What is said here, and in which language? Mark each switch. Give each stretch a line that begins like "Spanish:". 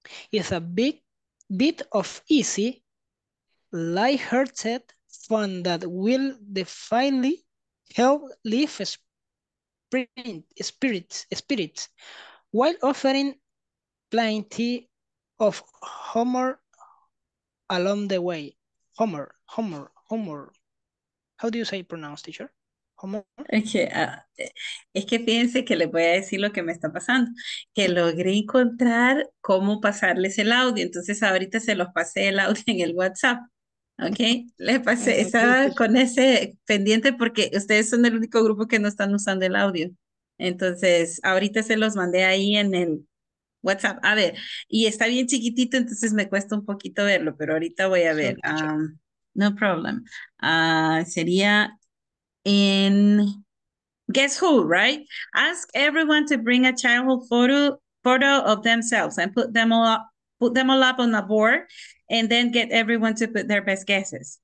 English: It's a big bit of easy, light-hearted fun that will definitely help lift spirit while offering plenty of humor along the way. Humor. How do you say pronounce, teacher?
Spanish: Es que fíjense que les voy a decir lo que me está pasando, que logré encontrar cómo pasarles el audio, entonces ahorita se los pasé el audio en el WhatsApp, ¿ok? Les pasé, estaba con ese pendiente porque ustedes son el único grupo que no están usando el audio, entonces ahorita se los mandé ahí en el WhatsApp, a ver, y está bien chiquitito, entonces me cuesta un poquito verlo, pero ahorita voy a ver,
English: no problem,
Spanish: sería...
English: In guess who, right? Ask everyone to bring a childhood photo of themselves and put them all up on a board, and then get everyone to put their best guesses.